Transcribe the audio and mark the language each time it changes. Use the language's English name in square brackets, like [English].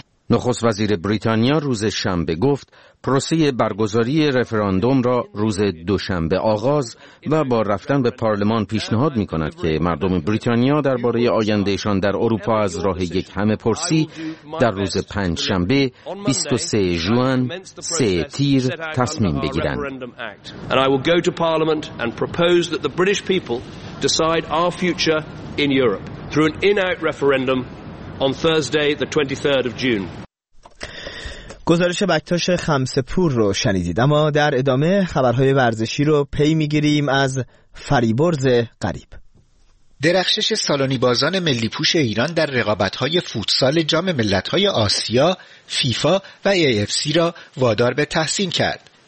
[Persian] نخست وزیر بریتانیا روز شنبه گفت پروسه برگزاری رفراندوم را روز دوشنبه آغاز و با رفتن به پارلمان پیشنهاد می کند که مردم بریتانیا درباره آیندهشان در اروپا از راه یک همه پرسی در روز پنج شنبه 23 جوان 3 تیر تصمیم بگیرند. [English] And I will go to Parliament and propose that the British people decide our future in Europe through an in-out referendum on Thursday the 23rd of June. [Persian] گزارش بکتاش خمسه‌پور رو شنیدید، اما در ادامه خبرهای ورزشی رو پی می‌گیریم از فریبرز غریب. درخشش سالونی بازان ملی پوش ایران در رقابت‌های فوتسال جام ملت‌های آسیا، فیفا و AFC را وادار به تحسین کرد.